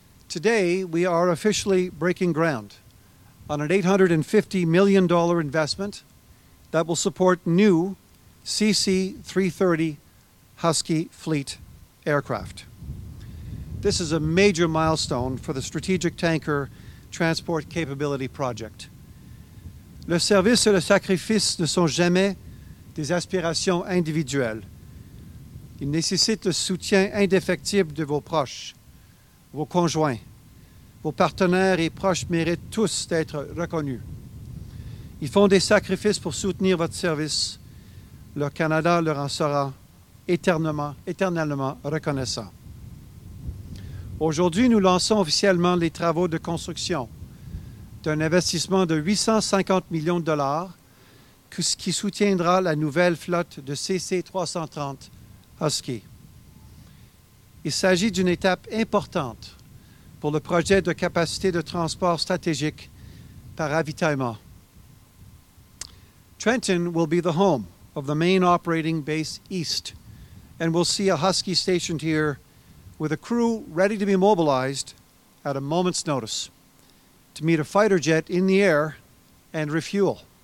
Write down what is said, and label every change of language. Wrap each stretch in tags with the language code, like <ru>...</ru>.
<en>Today, we are officially breaking ground on an $850 million investment that will support new CC-330 Husky fleet aircraft. This is a major milestone for the Strategic Tanker Transport Capability Project.</en> <fr>Le service et le sacrifice ne sont jamais des aspirations individuelles. Il nécessite le soutien indéfectible de vos proches, vos conjoints. Vos partenaires et proches méritent tous d'être reconnus. Ils font des sacrifices pour soutenir votre service. Le Canada leur en sera éternellement reconnaissant. Aujourd'hui, nous lançons officiellement les travaux de construction d'un investissement de 850 millions de dollars qui soutiendra la nouvelle flotte de CC-330 Husky. Il s'agit d'une étape importante pour le projet de capacité de transport stratégique par ravitaillement.</fr> <en>Trenton will be the home of the main operating base east, and we'll see a Husky stationed here with a crew ready to be mobilized at a moment's notice to meet a fighter jet in the air and refuel.</en>